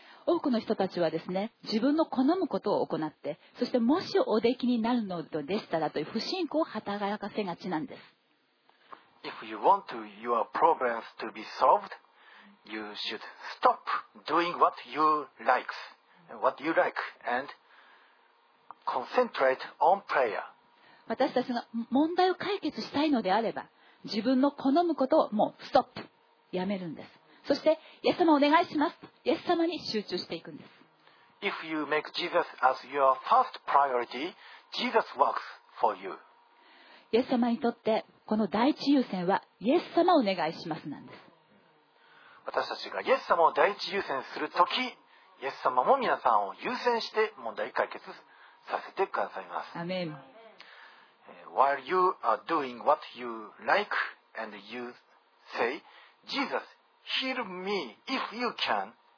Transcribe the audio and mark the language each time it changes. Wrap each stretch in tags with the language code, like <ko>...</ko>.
<ja>多くの人たちはですね、自分の好むことを行って、そしてもしおできになるのでしたらという不信仰を働かせがちなんです。</ja> <en>If you want to, your problems to be solved, you should stop doing what you like, and concentrate on prayer.</en> <ja>私たちが問題を解決したいのであれば、自分の好むことをもうストップ、やめるんです。そしてイエス様お願いします、イエス様に集中していくんです。</ja> <en>If you make Jesus as your first priority, Jesus works for you.</en> <ja>イエス様にとってこの第一優先はイエス様お願いしますなんです。私たちがイエス様を第一優先するとき、イエス様も皆さんを優先して問題解決させてくださいます。アメン。</ja> <en>While you are doing what you like and you say JesusHear me if you can.</en>